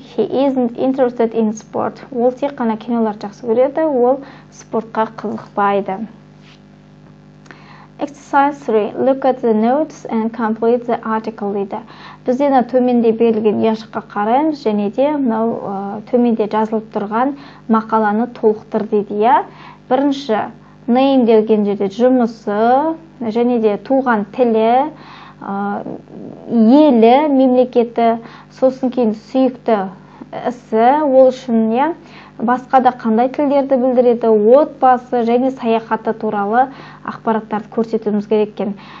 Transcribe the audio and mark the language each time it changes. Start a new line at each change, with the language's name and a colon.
English: He isn't interested in sport.
Kazakh: Ол тек қана кинолар жақсы көреді, ол спортқа қызықпайды.
English: Exercise 3. Look at the notes and complete the article
Kazakh: дейді. Біз енді төменде берілген яшыққа қараймыз және де мынау төменде жазылып тұрған мақаланы толықтыр дейді, иә. Бірінші, name деген жерде жұмысы және де туған тілі, елі, мемлекеті, сосын кейін сүйікті ісі, ол үшін, иә, басқа да қандай тілдерді білдіреді, отбасы және саяхаты туралы ақпараттарды көрсетуіміз керек екен.